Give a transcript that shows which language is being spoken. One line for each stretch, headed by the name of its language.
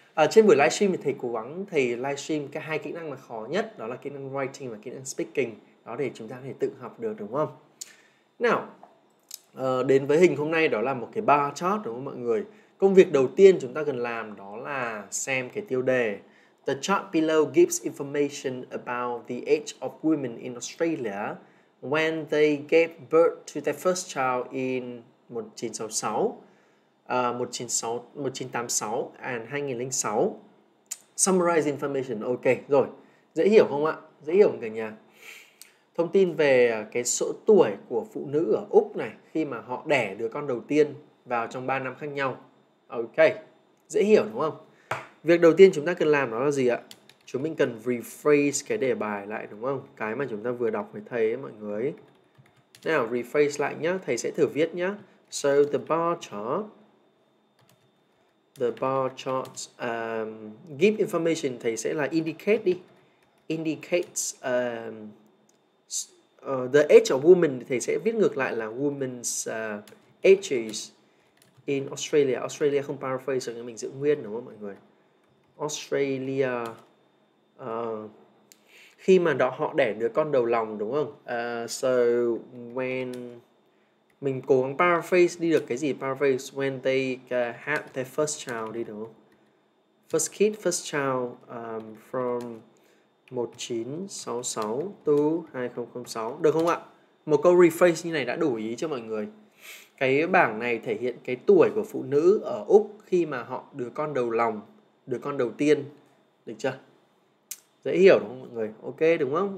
Vietnamese: Trên buổi livestream thì thầy cố gắng thầy livestream cái hai kỹ năng là khó nhất, đó là kỹ năng writing và kỹ năng speaking. Đó để chúng ta có thể tự học được đúng không? Nào, đến với hình hôm nay đó là một cái bar chart đúng không mọi người? Công việc đầu tiên chúng ta cần làm đó là xem cái tiêu đề.
English: The chart below gives information about the age of women in Australia when they gave birth to their first child in 1966, 1986 and 2006. Summarize information.
Vietnamese: Ok, rồi. Dễ hiểu không ạ? Dễ hiểu không cả nhà? Thông tin về cái số tuổi của phụ nữ ở Úc này khi mà họ đẻ đứa con đầu tiên vào trong 3 năm khác nhau. Ok, dễ hiểu đúng không? Việc đầu tiên chúng ta cần làm đó là gì ạ? Chúng mình cần rephrase cái đề bài lại đúng không? Cái mà chúng ta vừa đọc với thầy ấy mọi người. Nào, rephrase lại nhá. Thầy sẽ thử viết nhá.
English: So the bar chart give information,
Vietnamese: thầy sẽ là indicate đi.
English: Indicates the age of women,
Vietnamese: thầy sẽ viết ngược lại là
English: women's ages in Australia.
Vietnamese: Australia không paraphrase được, mình giữ nguyên đúng không mọi người? Australia khi mà đó họ đẻ đứa con đầu lòng đúng không?
English: So when
Vietnamese: mình cố gắng paraphrase đi được cái gì?
English: Paraphrase when they had their first child
Vietnamese: đi đúng không?
English: First kid, first child from 1966 to 2006
Vietnamese: được không ạ? Một câu rephrase như này đã đủ ý cho mọi người. Cái bảng này thể hiện cái tuổi của phụ nữ ở Úc khi mà họ đứa con đầu lòng, đứa con đầu tiên, được chưa? Dễ hiểu đúng không mọi người? Ok đúng không?